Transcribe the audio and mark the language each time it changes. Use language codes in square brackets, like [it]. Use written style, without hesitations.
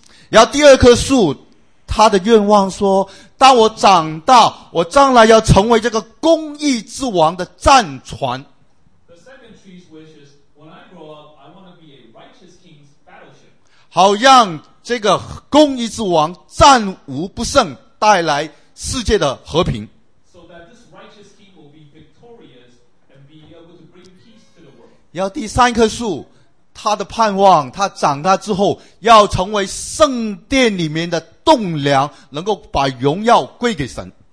[zh] 然后第二棵树，他的愿望说，当我长大，我将来要成为这个公义之王的战船。 [en] The second tree's wish is, when I grow up, I want to be a righteous king's battleship. [zh] 好让这个公义之王战无不胜，带来世界的和平。 [en] So that this righteous king will be victorious and be able to bring peace to the world. [zh] 然后第三棵树，他的盼望，他长大之后要成为圣殿里面的栋梁，能够把荣耀归给神。